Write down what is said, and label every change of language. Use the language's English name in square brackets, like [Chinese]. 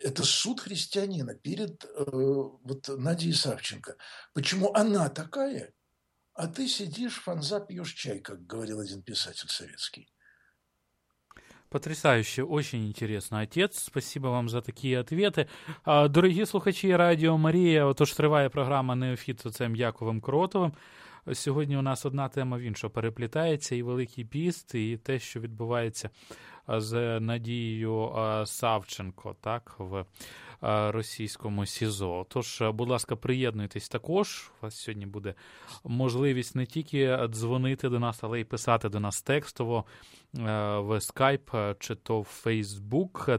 [Russian] Это суд христианина перед вот, Надей Савченко. Почему она такая, а ты сидишь, фанза, пьешь чай, как говорил один писатель советский. Потрясающе, очень интересно, отец. Спасибо вам за такие ответы. [Ukrainian] Дорогі слухачі Радіо Марія, отож триває програма «Неофіт» з отцем Яковом Кротовим. Сьогодні у нас одна тема, в іншу переплітається, і Великий Піст, і те, що відбувається з Надією Савченко, так, в російському СІЗО. Тож, будь ласка, приєднуйтесь також. У вас сьогодні буде можливість не тільки дзвонити до нас, але й писати до нас текстово в Skype чи то в Facebook.